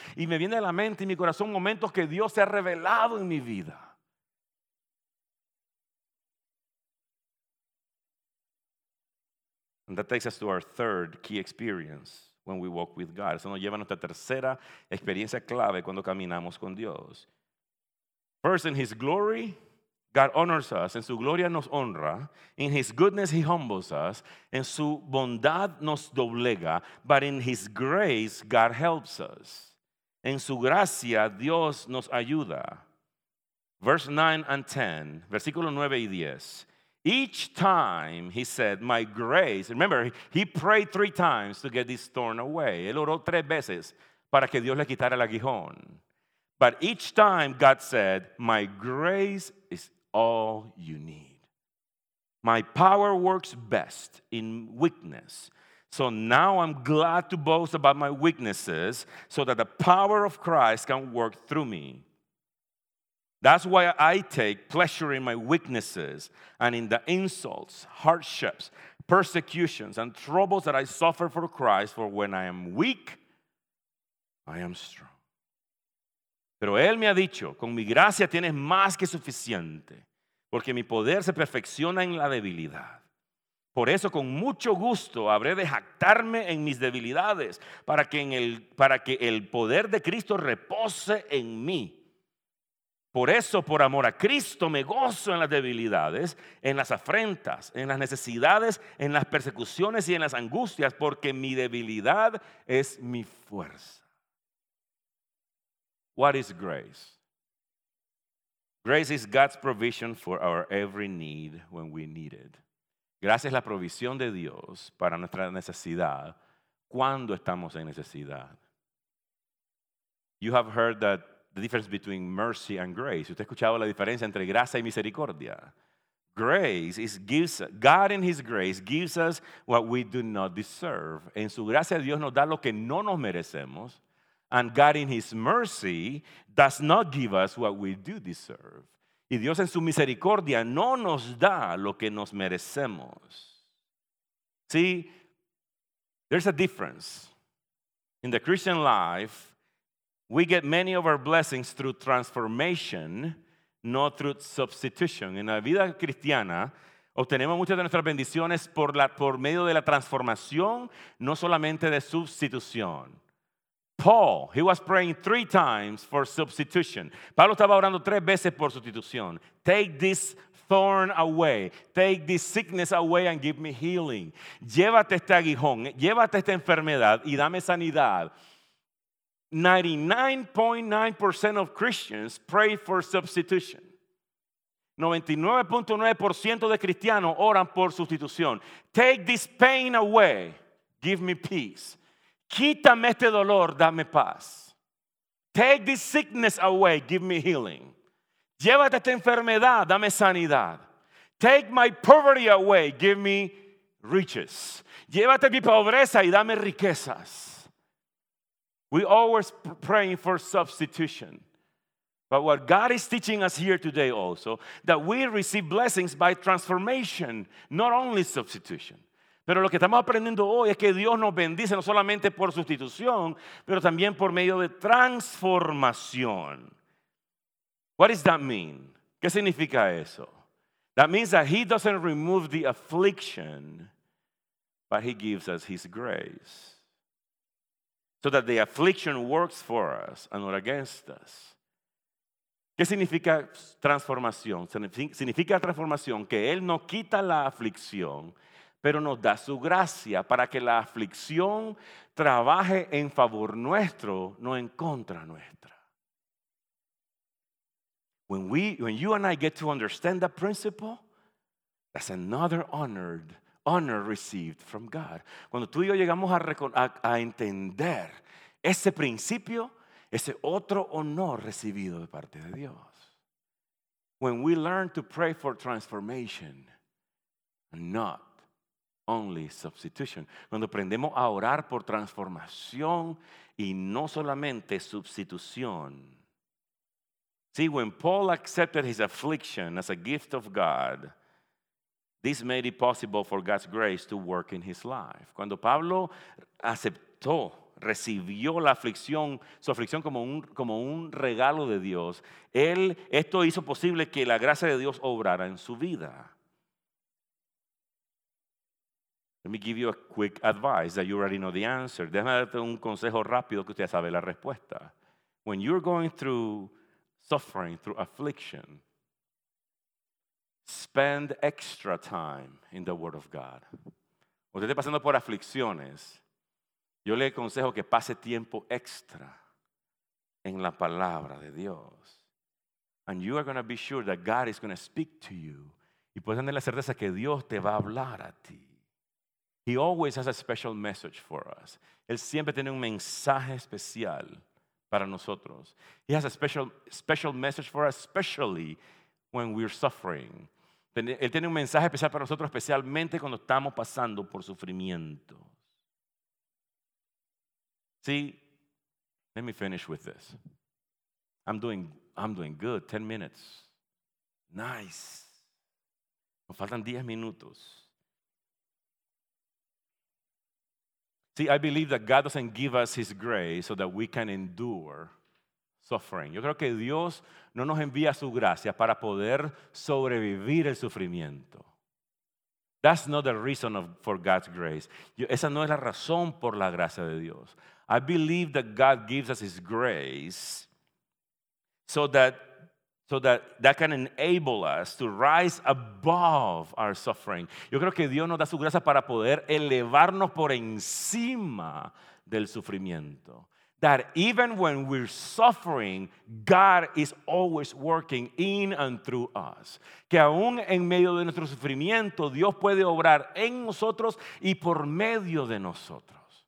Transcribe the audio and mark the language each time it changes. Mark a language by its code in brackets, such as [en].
[es] Y me viene a la mente y mi corazón momentos que Dios se ha revelado en mi vida. [en] And that takes us to our third key experience when we walk with God. [es] Eso nos lleva a nuestra tercera experiencia clave cuando caminamos con Dios. [en] First, in his glory, God honors us. [es] En su gloria nos honra. [en] In his goodness, he humbles us. [es] En su bondad nos doblega. [en] But in his grace, God helps us. [es] En su gracia, Dios nos ayuda. [en] Verse 9 and 10, [es] versículo 9 y 10. [en] Each time he said, my grace. Remember, he prayed three times to get this thorn away. [es] Él oró tres veces para que Dios le quitara el aguijón. [en] But each time God said, my grace is all you need. My power works best in weakness. So now I'm glad to boast about my weaknesses so that the power of Christ can work through me. That's why I take pleasure in my weaknesses and in the insults, hardships, persecutions, and troubles that I suffer for Christ. For when I am weak, I am strong. [es] Pero Él me ha dicho, con mi gracia tienes más que suficiente, porque mi poder se perfecciona en la debilidad. Por eso, con mucho gusto, habré de jactarme en mis debilidades para que el poder de Cristo repose en mí. Por eso, por amor a Cristo, me gozo en las debilidades, en las afrentas, en las necesidades, en las persecuciones y en las angustias, porque mi debilidad es mi fuerza. [en] What is grace? Grace is God's provision for our every need when we need it. [es] Gracia es la provisión de Dios para nuestra necesidad cuando estamos en necesidad. [en] You have heard that the difference between mercy and grace. [es] ¿Usted ha escuchado la diferencia entre gracia y misericordia? [en] Grace is gives God in his grace gives us what we do not deserve. [es] En su gracia Dios nos da lo que no nos merecemos. [en] And God in his mercy does not give us what we do deserve. [es] Y Dios en su misericordia no nos da lo que nos merecemos. [en] See, there's a difference. In the Christian life, we get many of our blessings through transformation, not through substitution. [es] En la vida cristiana, obtenemos muchas de nuestras bendiciones por medio de la transformación, no solamente de sustitución. [en] Paul, he was praying three times for substitution. [es] Pablo estaba orando tres veces por sustitución. [en] Take this thorn away. Take this sickness away and give me healing. [es] Llévate este aguijón, llévate esta enfermedad y dame sanidad. [en] 99.9% of Christians pray for substitution. [es] 99.9% de cristianos oran por sustitución. [en] Take this pain away. Give me peace. [es] Quítame este dolor, dame paz. [en] Take this sickness away, give me healing. [es] Llévate esta enfermedad, dame sanidad. [en] Take my poverty away, give me riches. [es] Llévate mi pobreza y dame riquezas. [en] We always praying for substitution. But what God is teaching us here today also, that we receive blessings by transformation, not only substitution. [es] Pero lo que estamos aprendiendo hoy es que Dios nos bendice no solamente por sustitución, pero también por medio de transformación. [en] What does that mean? [es] ¿Qué significa eso? [en] That means that he doesn't remove the affliction, but he gives us his grace. So that the affliction works for us and not against us. [es] ¿Qué significa transformación? Significa transformación que Él no quita la aflicción, pero nos da su gracia para que la aflicción trabaje en favor nuestro, no en contra nuestra. [en] When you and I get to understand that principle, that's another honor received from God. [es] Cuando tú y yo llegamos a entender ese principio, ese otro honor recibido de parte de Dios. [en] When we learn to pray for transformation, not only substitution. [es] Cuando aprendemos a orar por transformación y no solamente sustitución. [en] See, when Paul accepted his affliction as a gift of God, this made it possible for God's grace to work in his life. [es] Cuando Pablo aceptó, recibió la aflicción, su aflicción como un regalo de Dios, esto hizo posible que la gracia de Dios obrara en su vida. [en] Let me give you a quick advice that you already know the answer. [es] Déjame darte un consejo rápido que usted ya sabe la respuesta. [en] When you're going through suffering, through affliction, spend extra time in the Word of God. [es] Usted está pasando por aflicciones. Yo le aconsejo que pase tiempo extra en la palabra de Dios. [en] And you are going to be sure that God is going to speak to you. [es] Y puedes tener la certeza que Dios te va a hablar a ti. [en] He always has a special message for us. [es] Él siempre tiene un mensaje especial para nosotros. [en] He has a special message for us, especially when we're suffering. [es] Él tiene un mensaje especial para nosotros, especialmente cuando estamos pasando por sufrimiento. [en] See, let me finish with this. I'm doing good. 10 minutes. Nice. [es] Nos faltan 10 minutos. [en] See, I believe that God doesn't give us His grace so that we can endure suffering. [es] Yo creo que Dios no nos envía su gracia para poder sobrevivir el sufrimiento. [en] That's not the reason for God's grace. [es] Esa no es la razón por la gracia de Dios. [en] I believe that God gives us His grace so that can enable us to rise above our suffering. [es] Yo creo que Dios nos da su gracia para poder elevarnos por encima del sufrimiento. [en] That even when we're suffering, God is always working in and through us. [es] Que aún en medio de nuestro sufrimiento, Dios puede obrar en nosotros y por medio de nosotros.